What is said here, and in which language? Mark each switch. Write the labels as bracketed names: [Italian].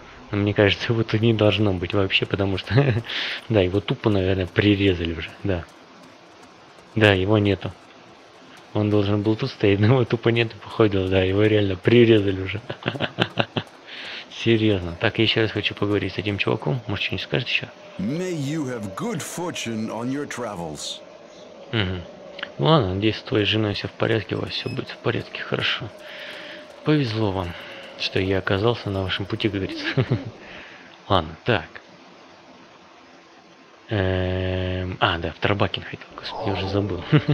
[Russian] Но мне кажется, его тут не должно быть вообще, потому что... Да, его тупо, наверное, прирезали уже, да. Да, его нету. Он должен был тут стоять, но его тупо нету, походу, да, его реально прирезали уже. Серьезно. Так, я еще раз хочу поговорить с этим чуваком. Может, что-нибудь скажет еще? [English] May you have good fortune on your travels. [Russian] Ну ладно, надеюсь, с твоей женой все в порядке, у вас все будет в порядке, хорошо. Повезло вам, что я оказался на вашем пути, как говорится. Ладно, так. А, да, в Тарбакен хотел, господи, я уже забыл.